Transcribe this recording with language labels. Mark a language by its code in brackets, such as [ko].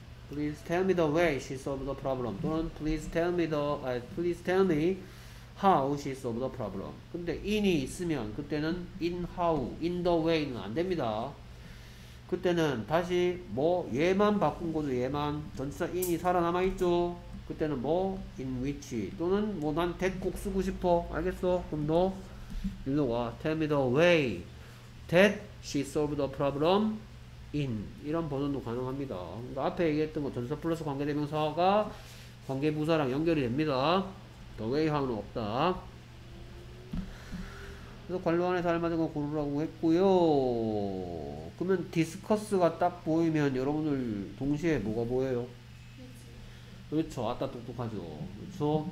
[en] Please tell me the way she solved the problem. 또는 please tell me the please tell me how she solved the problem. [ko] 근데 in이 있으면 그때는 in how, in the way는 안 됩니다. 그때는 다시 뭐 얘만 바꾼 거죠. 얘만 전체 in이 살아남아 있죠. 그때는 뭐 in which 또는 뭐 난 that 꼭 쓰고 싶어. 알겠어? 그럼 너 일로 와. [en] Tell me the way that she solved the problem in. [ko] 이런 버전도 가능합니다. 그러니까 앞에 얘기했던 거 전체 플러스 관계대명사가 관계부사랑 연결이 됩니다. The way 하는 없다. 그래서 관로 안에 잘 맞은 거 고르라고 했고요. 그러면 디스커스가 딱 보이면 여러분들 동시에 뭐가 보여요? 그렇죠. 아따 똑똑하죠. 그렇죠.